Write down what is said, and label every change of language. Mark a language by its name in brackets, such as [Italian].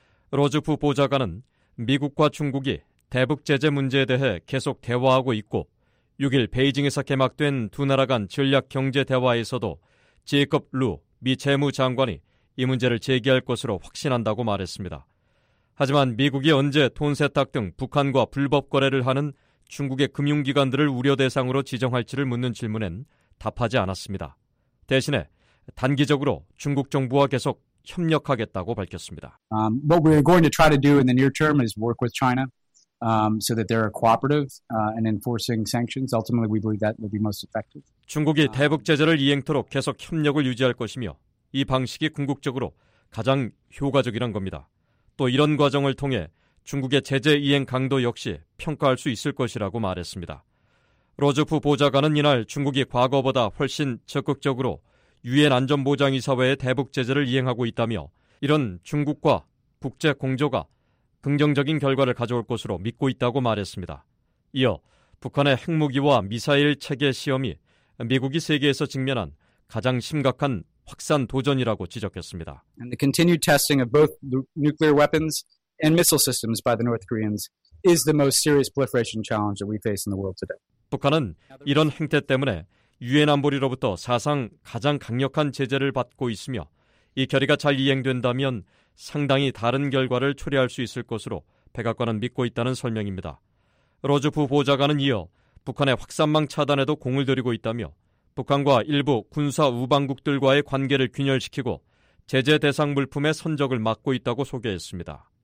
[Korean] 로즈프 보좌관은 미국과 중국이 대북 제재 문제에 대해 계속 대화하고 있고 6일 베이징에서 개막된 두 나라 간 전략 경제 대화에서도 제이콥 루 미 재무장관이 이 문제를 제기할 것으로 확신한다고 말했습니다. 하지만 미국이 언제 돈 세탁 등 북한과 불법 거래를 하는 중국의 금융기관들을 우려 대상으로 지정할지를 묻는 질문엔 답하지 않았습니다. 대신에 단기적으로 중국 정부와 계속 협력하겠다고 밝혔습니다. [English] What we're going to try to do in the near term is work with China so that they're cooperative in enforcing sanctions. Ultimately, we believe that will be most effective. [Korean] 중국이 대북 제재를 이행토록 계속 협력을 유지할 것이며 이 방식이 궁극적으로 가장 효과적이란 겁니다. 또 이런 과정을 통해 중국의 제재 이행 강도 역시 평가할 수 있을 것이라고 말했습니다. 로즈프 보좌관은 이날 중국이 과거보다 훨씬 적극적으로 유엔 안전보장이사회의 대북 제재를 이행하고 있다며 이런 중국과 국제 공조가 긍정적인 결과를 가져올 것으로 믿고 있다고 말했습니다. 이어 북한의 핵무기와 미사일 체계 시험이 미국이 세계에서 직면한 가장 심각한 확산 도전이라고 지적했습니다. [English] And the continued testing of both nuclear weapons and missile systems by the North Koreans is the most serious proliferation challenge that we face in the world today. [Korean] 북한은 이런 행태 때문에 유엔 안보리로부터 사상 가장 강력한 제재를 받고 있으며 이 결의가 잘 이행된다면 상당히 다른 결과를 초래할 수 있을 것으로 백악관은 믿고 있다는 설명입니다. 로즈프 보좌관은 이어 북한의 확산망 차단에도 공을 들이고 있다며 북한과 일부 군사 우방국들과의 관계를 균열시키고 제재 대상 물품의 선적을 막고 있다고 소개했습니다.